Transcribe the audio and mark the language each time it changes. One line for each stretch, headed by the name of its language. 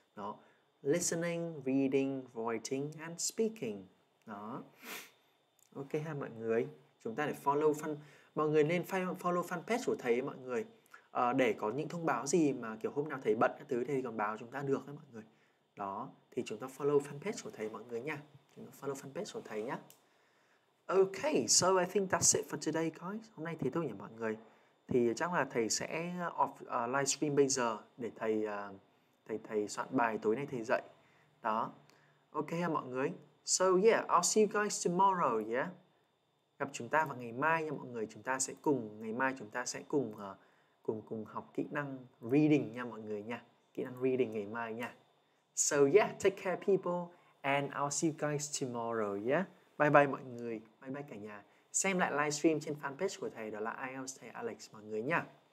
Vietnamese: Đó, listening, reading, writing and speaking. Đó. Ok ha mọi người. Chúng ta để follow fan. Mọi người nên follow fanpage của thầy mọi người. À, để có những thông báo gì mà kiểu hôm nào thầy bận các thứ thì còn báo chúng ta được đấy mọi người. Đó, thì chúng ta follow fanpage của thầy mọi người nha. Chúng ta follow fanpage của thầy nhá.
English: Ok, so I think that's it for today guys.
Vietnamese: Hôm nay thì tôi nhỉ mọi người. Thì chắc là thầy sẽ off livestream bây giờ để thầy soạn bài tối nay thầy dạy. Đó. Ok ha mọi người.
English: So yeah, I'll see you guys tomorrow yeah.
Vietnamese: Gặp chúng ta vào ngày mai nha mọi người. Chúng ta sẽ cùng ngày mai chúng ta sẽ cùng cùng học kỹ năng reading nha mọi người nha. Kỹ năng reading ngày mai nha.
English: So yeah, take care people and I'll see you guys tomorrow yeah.
Vietnamese: Bye bye mọi người, bye bye cả nhà. Xem lại livestream trên fanpage của thầy, đó là IELTS thầy Alex mọi người nha.